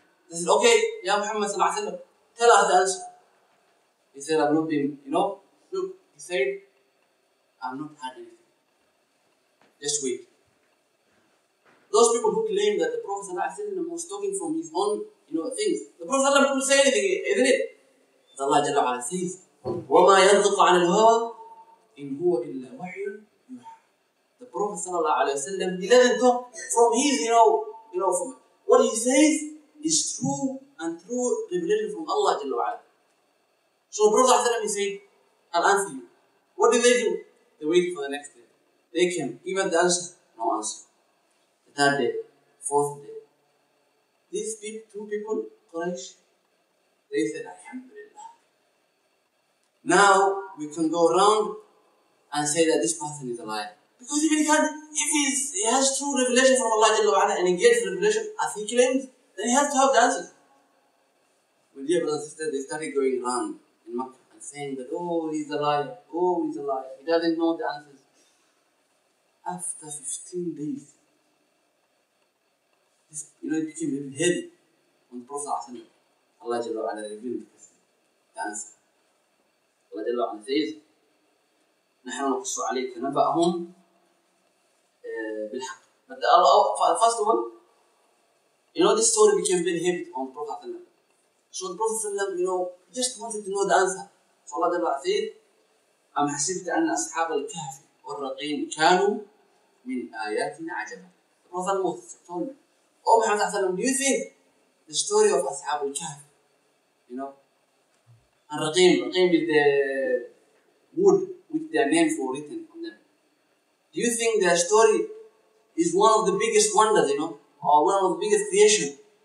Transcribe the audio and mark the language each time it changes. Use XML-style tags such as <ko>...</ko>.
<en>They said, okay, ya Muhammad sallallahu alayhi wa sallam, tell us the answer. He said, I've not been, you know, look, he said, I've not had anything. Just wait. Those people who claim that the Prophet sallallahu alayhi wa sallam was talking from his own, you know, things. The Prophet sallallahu alayhi wa sallam couldn't say anything, isn't it? Allah Jalla wa'ala says,</en> <ar>وَمَا يَنْطِقُ عَنِ الْهَوَىٰ إِنْ هُوَ إِلَّا وَحْيٌ يُوحَىٰ.</ar> <en>The Prophet sallallahu alayhi wa sallam, he doesn't talk from his, you know, from what he says is true and true revelation from Allah Jalla wa'ala. So the Prophet sallallahu alayhi wa sallam, he said, I'll answer you. What did they do? They waited for the next day. They came, given the answer, no answer. The third day, fourth day. These two people, Quraysh, they said, Alhamdulillah. Now we can go around and say that this person is a liar. Because if he has true revelation from Allah Jalla wa'ala and he gets revelation as he claims, then he has to have the answers. My dear brothers and sisters, they started going around in Makkah and saying that, oh he's a liar, he doesn't know the answers. After 15 days, this, you know, it became very heavy on the Prophet, Allah Jalla wa'ala revealed the answer. Allah Jalla wa'ala says,</en> <ar>نحن نقص عليك نبأهم بالحق.</ar> <en>But the first one, you know, this story became very heavy on the Prophet. So the Prophet, you know, just wanted to know the answer. So Allah Jalla wa'ala says,</en> <ar>أم حسبت أن أصحاب الكهف والرقيم كانوا من آياتنا عجبا.</ar> <en>The Prophet told me, oh Muhammad, do you think the story of أصحاب الكهف, you know, and Raqim is the wood with their names were written on them. Do you think their story is one of the biggest wonders, you know, or one of the biggest creation?</en>